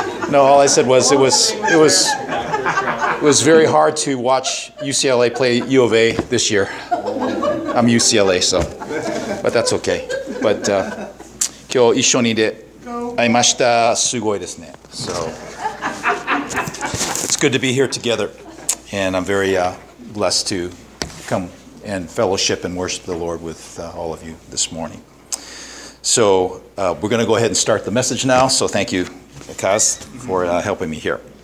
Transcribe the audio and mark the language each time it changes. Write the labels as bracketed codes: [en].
[en] No, all I said was it was very hard to watch UCLA play U of A this year. I'm UCLA, so. But that's okay. [ja] But, 今日一緒にで会いました。すごいですね。 [en] So, it's good to be here together. And I'm very blessed to come and fellowship and worship the Lord with all of you this morning. So, we're going to go ahead and start the message now. So, thank you, Kaz, for helping me here.